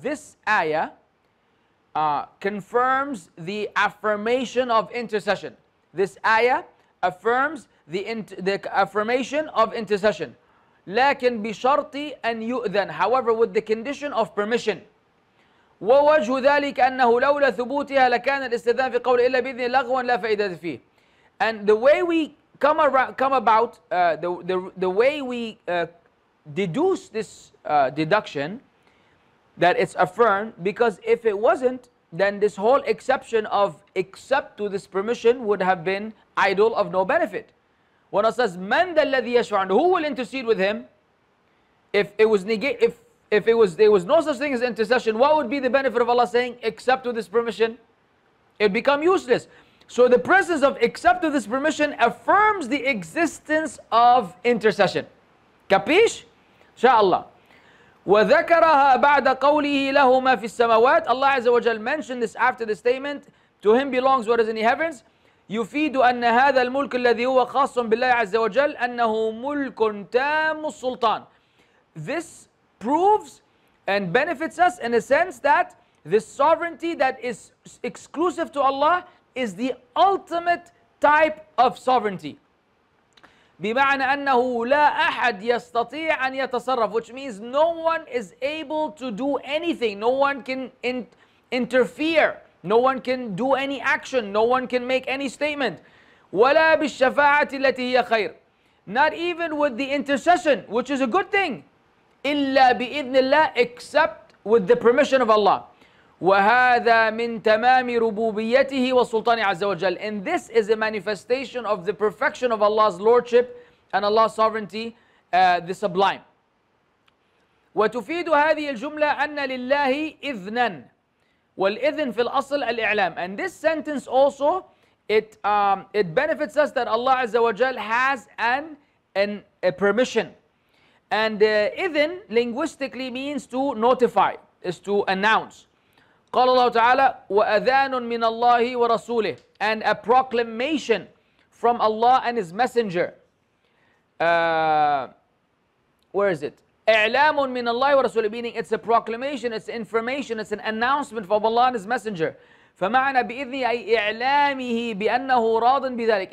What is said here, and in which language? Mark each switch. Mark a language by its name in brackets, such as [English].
[English] This ayah confirms the affirmation of intercession. This ayah affirms the affirmation of intercession. [Arabic] لكن بشرط أن يؤذن. [English] However, with the condition of permission. [Arabic] ووجه ذلك أنه لولا ثبوتها لكان الاستذان في قول إلا بإذن لغوا لا فائدة فيه. [English] And the way we come around, come about the way we deduce this deduction, that it's affirmed, because if it wasn't, then this whole exception of except to this permission would have been idle, of no benefit. When Allah says, [Arabic] "Man dal ladhi yashfa'u," [English] who will intercede with him? If it was there was no such thing as intercession, what would be the benefit of Allah saying except to this permission? It become useless. So the presence of except to this permission affirms the existence of intercession. Kapish? Inshallah. [Arabic] وذكرها بعد قوله له ما في السماوات. [English] Allah عز وجل mentioned this after the statement, to him belongs what is in the heavens. [Arabic] يفيد أن هذا الملك الذي هو خاص بالله عز وجل أنه ملك تام السلطان. [English] This proves and benefits us in a sense that this sovereignty that is exclusive to Allah is the ultimate type of sovereignty. [Arabic] بمعنى أنه لا أحد يستطيع أن يتصرف, [English] which means no one is able to do anything, no one can interfere, no one can do any action, no one can make any statement. [Arabic] ولا بالشفاعة التي هي خير, [English] not even with the intercession, which is a good thing. [Arabic] إلا بإذن الله, [English] except with the permission of Allah. [Arabic] وهذا من تمام ربوبيته وسلطانه عز وجل. [English] And this is a manifestation of the perfection of Allah's lordship and Allah's sovereignty, the sublime. [Arabic] وتفيد هذه الجملة أن لله إذنا. والإذن في الأصل الإعلام. [English] And this sentence also, it benefits us that Allah عز وجل has a permission. And إذن linguistically means to notify, is to announce. [Arabic] قال الله تعالى وأذان من الله ورسوله, [English] and a proclamation from Allah and His Messenger. Where is it? [Arabic] إعلام من الله ورسوله, [English] meaning it's a proclamation, it's information, it's an announcement from Allah and His Messenger. [Arabic] فمعنى بإذن أي إعلامه بأنه راض بذلك.